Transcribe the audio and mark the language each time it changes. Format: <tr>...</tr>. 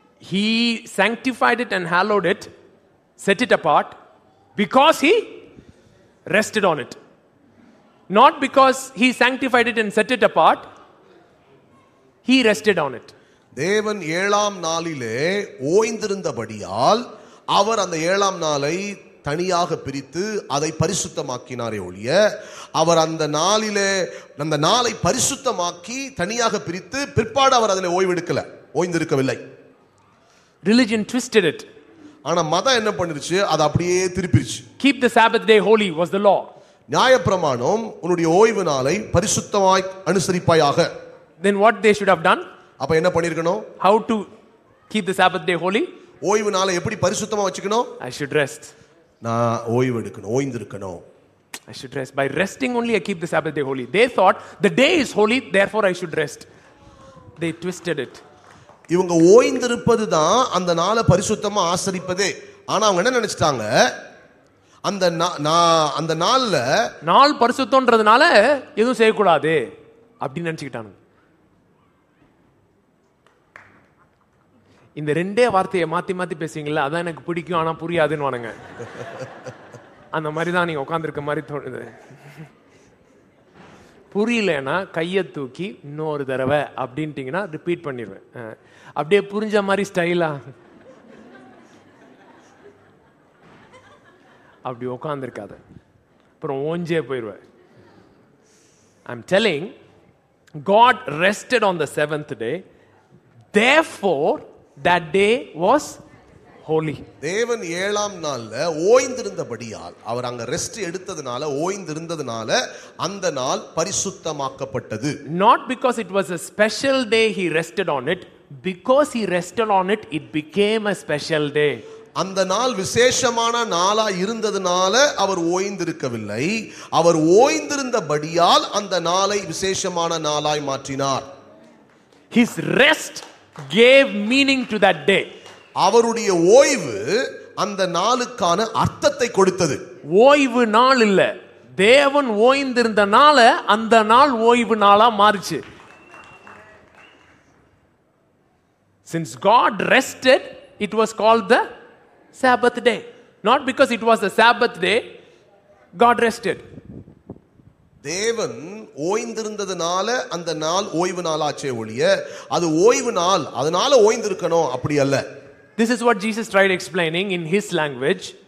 <en>He sanctified it and hallowed it, set it apart because he rested on it. Not because he sanctified it and set it apart, he rested on it.</en> <ta>தேவன் ஏழாம் நாளிலே ஓய்ந்திருந்தபடியால் அவர் அந்த ஏழாம் நாளை தனியாக பிரித்து அதை பரிசுத்தமாக்கினாரே ஒழிய, அவர் அந்த நாளிலே அந்த நாளை பரிசுத்தமாக்கி தனியாக பிரித்து பிற்பாடு அவர் அதில் ஓய்வெடுக்கல, ஓய்ந்திருக்கவில்லை.</ta> <en>Religion twisted it.</en> <ta>ஆனா மதம் என்ன பண்ணிருச்சு? அது அப்படியே திருப்பிருச்சு.</ta> <en>Keep the Sabbath day holy was the law.</en> <ta>நியாயப்பிரமாணம் உன்னுடைய ஓய்வு நாளை பரிசுத்தமாய் அனுசரிப்பாயாக.</ta> <en>Then what they should have done?</en> <ta>அப்ப என்ன பண்ணிருக்கணும்?</ta> <en>How to keep the Sabbath day holy?</en> <ta>ஓய்வு நாளை எப்படி பரிசுத்தமா வச்சுக்கணும்?</ta> <en>I should rest.</en> <ta>நான் ஓய்வு எடுக்கணும், ஓய்ந்திருக்கணும்.</ta> <en>I should rest. By resting only I keep the Sabbath day holy. They thought the day is holy, therefore I should rest. They twisted it.</en> <ta>இவங்க ஓய்ந்திருப்பது தான் அந்த நாளை பரிசுத்தமா ஆசரிப்பதே. ஆனா அவங்க என்ன நினைச்சிட்டாங்க? அந்த நாள்ல நாள் பரிசுத்தம்ன்றதுனால எதுவும் செய்யக்கூடாது அப்படின்னு நினைச்சுக்கிட்டானுங்க. இந்த ரெண்டே வார்த்தையை மாத்தி மாத்தி பேசுவீங்களா? அதான் எனக்கு பிடிக்கும், ஆனா புரியாதுன்னு வானுங்க. அந்த மாதிரிதான் நீங்க உட்காந்துருக்க மாதிரி தோணுது. புரியலன்னா கையை தூக்கி இன்னொரு தடவை அப்படின்ட்டீங்கன்னா ரிப்பீட் பண்ணிடுவேன். அப்படியே புரிஞ்ச மாதிரி ஸ்டைலா அப்படி உட்காந்துருக்காத, அப்புறம் ஓஞ்சே போயிடுவேன்.</ta> <en>I'm telling, God rested on the seventh day, therefore that day was holy.</en> <ta>தேவன் ஏழாம் நாள்ல ஓய்ந்திருந்தபடியால் அவர் அங்க ரெஸ்ட் எடுத்ததுனால, ஓய்ந்திருந்ததுனால அந்த நாள் பரிசுத்தமாக்கப்பட்டது.</ta> <en>Not because it was a special day he rested on it, because he rested on it, it became a special day.</en> <ta>அந்த நாள் விசேஷமான நாளா இருந்ததுனால அவர் ஓய்ந்திருக்கவில்லை, அவர் ஓய்ந்திருந்தபடியால் அந்த நாளை விசேஷமான நாளாய் மாற்றினார்.</ta> <en>His rest gave meaning to that day.</en> <ta>அவருடைய ஓய்வு அந்த நாளுக்கான அர்த்தத்தை கொடுத்தது. ஓய்வு நாள் இல்ல, தேவன் ஓய்ந்திருந்த நாள் அந்த நாள் ஓய்வு நாளா மாறிச்சு.</ta> <en>Since God rested, it was called the Sabbath day. Not because it was the Sabbath day, God rested.</en> <ta>தேவன் ஓய்ந்திருந்ததுனால அந்த நாள் ஓய்வு நாள் ஆச்சே ஒழிய, அது ஓய்வு நாள் அதனால ஓய்ந்திருக்கணும் அப்படி அல்ல.</ta> <en>This is what Jesus tried explaining in his language.</en>